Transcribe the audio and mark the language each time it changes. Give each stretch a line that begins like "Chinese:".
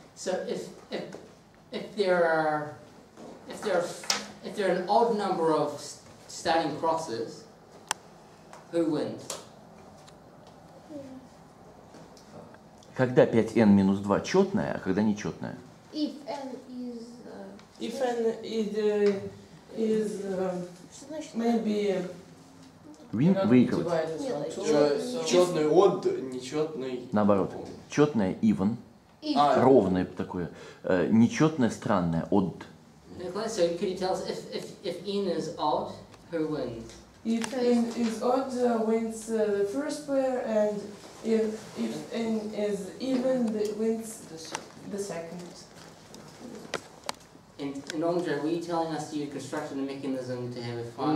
English: So if there are an odd number of starting crosses, who wins?
Russian: Когда 5n минус 2 четная, а когда нечетная?
English: If n is maybe
Russian: выиграл. Четный
English: odd,
Russian: нечетный. Наоборот. Четная
English: even.
Russian: Ровное такое, нечетное, странное,
English: odd. Николай, so could you tell us if n is odd, who wins? If n is odd, wins the first player, and if n is even, wins the second. And Andre, were you telling us you constructed a mechanism to have a fun?